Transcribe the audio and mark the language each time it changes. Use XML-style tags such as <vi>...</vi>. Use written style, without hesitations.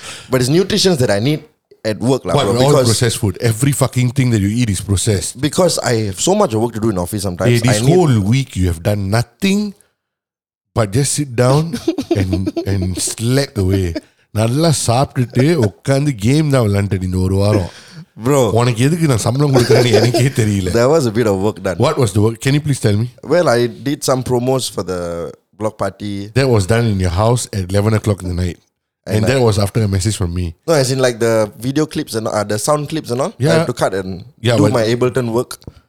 <en>But it's nutrition that I need. At work, bro, all processed food. Every fucking thing that you eat is processed. Because I have so much work to do in office sometimes. Hey, this whole week you have done nothing but just sit down and slack away.</en> <ta>Nalla saaptute okkandu game na velandadi indha oru varam.</ta> <en>Bro,</en> <ta>உனக்கு எதுக்கு நான் சம்பளம் கொடுக்கறேன் எனக்கே தெரியல.</ta> <en>There was a bit of work done. What was the work? Can you please tell me? Well, I did some promos for the block party. That was done in your house at 11 o'clock in the night. And that was after a message from me. No, as in like the video clips and the sound clips and all. Yeah. I have to cut and do my Ableton work.</en>